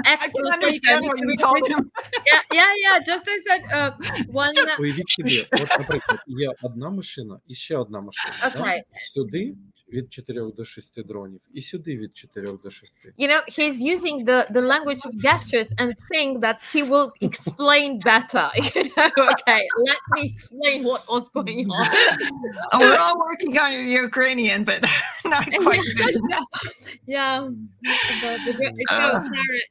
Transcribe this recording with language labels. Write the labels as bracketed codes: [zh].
[en] excellent. I can understand what you told him. Yeah. Just I said one. [uk] Just уявіть собі, от, наприклад, є одна машина і ще одна машина. [en] Okay. [ru] Да? [uk] Сюди від 4 до 6 дронів і сюди від 4 до 6. [en] You know, he's using the language of gestures and think that he will explain better. You know, okay, let me explain what was going on. Oh, we're all working on your Ukrainian, but not quite.